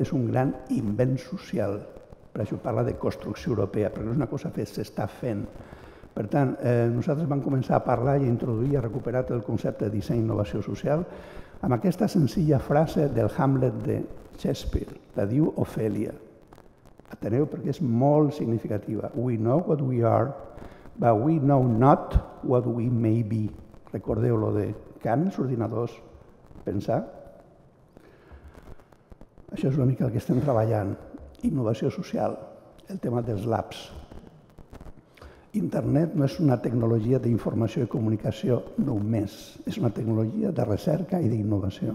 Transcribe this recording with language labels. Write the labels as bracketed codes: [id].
[ca] És un gran invent social. Per això parla de construcció europea, perquè no és una cosa que s'està fent. Per tant, nosaltres vam començar a parlar i a introduir i a recuperar el concepte de disseny i innovació social amb aquesta senzilla frase del Hamlet de Shakespeare, la diu Ofèlia. Ateneu perquè és molt significativa. [en] We know what we are, but we know not what we may be. [ca] Recordeu lo de que han els ordinadors pensar? Això és una mica el que estem treballant. Innovació social, el tema dels labs. Internet no és una tecnologia d'informació i comunicació només, és una tecnologia de recerca i d'innovació.